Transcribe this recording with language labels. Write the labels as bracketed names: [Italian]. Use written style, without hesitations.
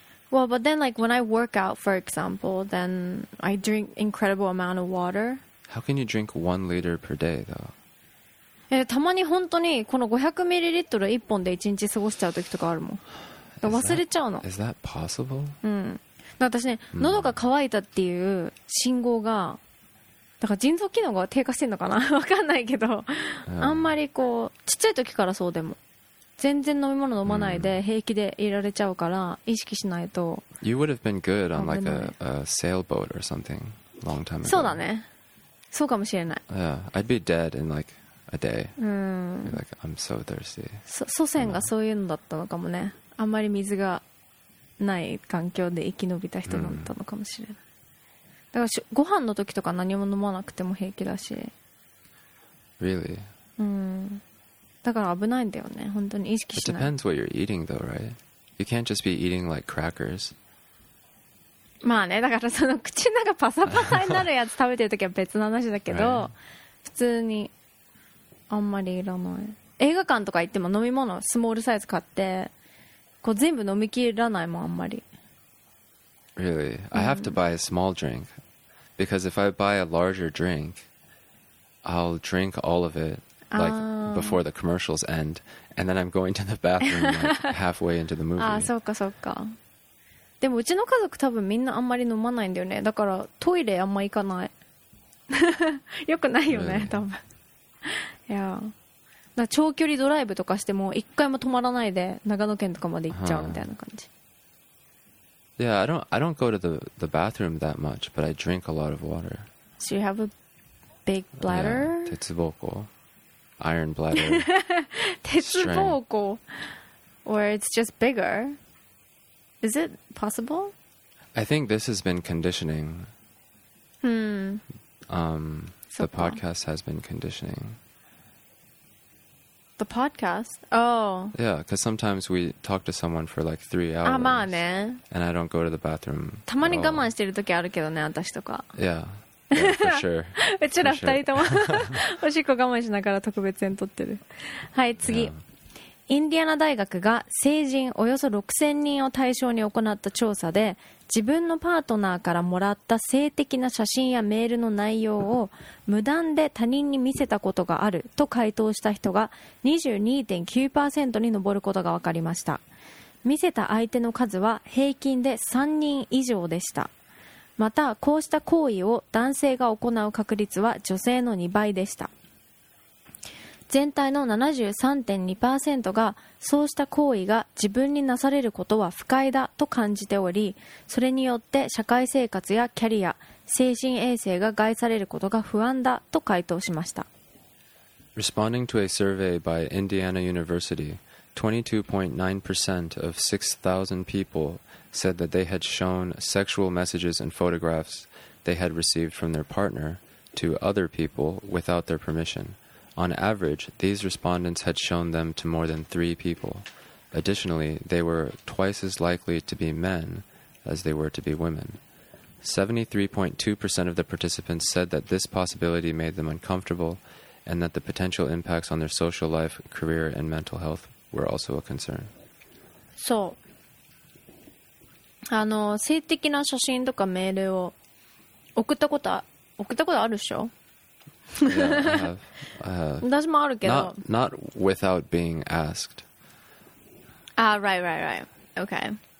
[English] Well but then like when I work out for example then I drink incredible amount of water How can you drink 1 liter per day though? [Japanese] たまに本当にこの 500ml 1本で1日過ごしちゃう時とかあるもん忘れちゃうの [English] Is that possible? [Japanese] うん私ね、喉が渇いたっていう信号がだから腎臓機能が低下してるのかなわかんないけど、あんまりこうちっちゃい時からそうでも全然飲み物飲まないで平気でいられちゃうから意識しないと [English] You would have been good on like a sailboat or something long time ago [Japanese] そうだねそうかもしれない [English] Yeah, I'd be dead in likeea day. Like I'm so thirsty. [Japanese] 祖先がそういうのだったのかもね。あんまり水がない環境で生き延びた人だったのかもしれない。だからご飯の時とか何も飲まなくても平気だし。 [English] Really? [Japanese] だから危ないんだよね。本当に意識しない。 [English] It depends what you're eating though, right? You can't just be eating like crackers. [Japanese] まあね、だからその口の中パサパサになるやつ食べてる時は別の話だけど、普通に。あんまりいらない映画館とか行っても飲み物スモールサイズ買ってこう全部飲みきらないもんあんまり [English] Really? I have to buy a small drink because if I buy a larger drink I'll drink all of it like before the commercials end and then I'm going to the bathroom like halfway into the movie [Japanese] あそうかそうかでもうちの家族多分みんなあんまり飲まないんだよねだからトイレあんま行かないよくないよね、 [English] really? [Japanese] 多分いや、だ長距離ドライブとかしても一回も止まらないで長野県とかまで行っちゃうみたいな感じ。 [English] Yeah, I don't go to the bathroom that much, but I drink a lot of water. So you have a big bladder? Yeah, 鉄膀胱 iron bladder. 鉄膀胱 or it's just bigger? Is it possible? I think this has been conditioning. The podcast has been conditioning. The podcast? Oh. Yeah, because sometimes we talk to someone for like 3 hours. [Japanese] あ、まあね。 [English] And I don't go to the bathroom. [Japanese] たまに我慢してる時あるけどね、私とか。 [English] Yeah, for sure. [Japanese] うちら二人ともおしっこ我慢しながら特別編撮ってる。はい、次。 [English] Yeah. [Japanese] インディアナ大学が成人およそ6000人を対象に行った調査で、自分のパートナーからもらった性的な写真やメールの内容を無断で他人に見せたことがあると回答した人が 22.9% に上ることが分かりました。見せた相手の数は平均で3人以上でした。またこうした行為を男性が行う確率は女性の2倍でした。全体の 73.2% がそうした行為が自分になされることは不快だと感じており、それによって社会生活やキャリア、精神衛生が害されることが不安だと回答しました。 [English] Responding to a survey by Indiana University, 22.9% of 6,000 people said that they had shown sexual messages and photographs they had received from their partner to other people without their permission. On average, these respondents had shown them to more than 3 people. Additionally, they were twice as likely to be men as they were to be women. 73.2% of the participants said that this possibility made them uncomfortable and that the potential impacts on their social life, career, and mental health were also a concern. [Japanese] そう。あの、性的な写真とかメールを送ったことあるっしょ? [English] Yeah, I have. [Japanese] 私もあるけど。 [English] Not without being asked. Ah, right, right, right. Okay.